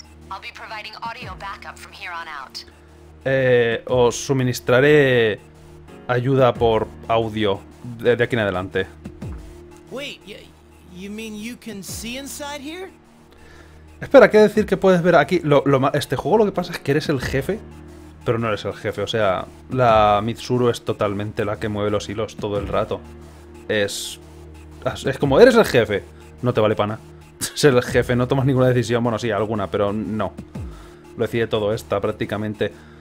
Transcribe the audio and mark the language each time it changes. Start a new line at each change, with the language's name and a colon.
English: I'll be providing audio backup from here on out.
Spanish: Os suministraré ayuda por audio de aquí en adelante.
English: Wait, you mean you can see inside here?
Spanish: Espera, ¿quiere decir que puedes ver aquí? Este juego lo que pasa es que eres el jefe, pero no eres el jefe, o sea, la Mitsuru es totalmente la que mueve los hilos todo el rato. Es como, ¿eres el jefe? No te vale pana. Ser el jefe, no tomas ninguna decisión, bueno, sí, alguna, pero no. Lo decide todo esta, prácticamente.